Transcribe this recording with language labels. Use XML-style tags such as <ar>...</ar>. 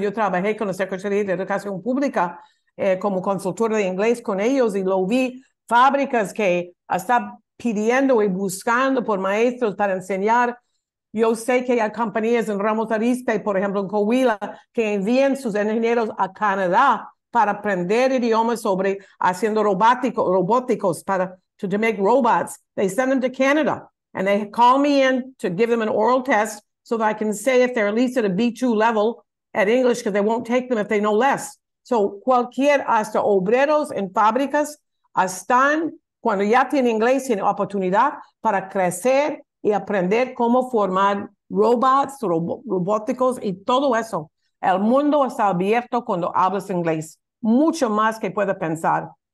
<es>Yo trabajé con la Secretaría de Educación Pública como consultora de inglés con ellos y lo vi, fábricas que están pidiendo y buscando por maestros para enseñar. Yo sé que hay compañías en Ramos Arizpe, por ejemplo, en Coahuila, que envían sus ingenieros a Canadá para aprender idiomas sobre haciendo robóticos para</es> <en>to make robots. They send them to Canada. And they call me in to give them an oral test so that I can say if they're at least at a B2 level at English, because they won't take them if they know less.</en> <es>So cualquier, hasta obreros en fábricas, están, cuando ya tienen inglés, tienen oportunidad para crecer y aprender cómo formar robots, robóticos y todo eso. El mundo está abierto cuando hablas inglés. Mucho más que puedes pensar.</es>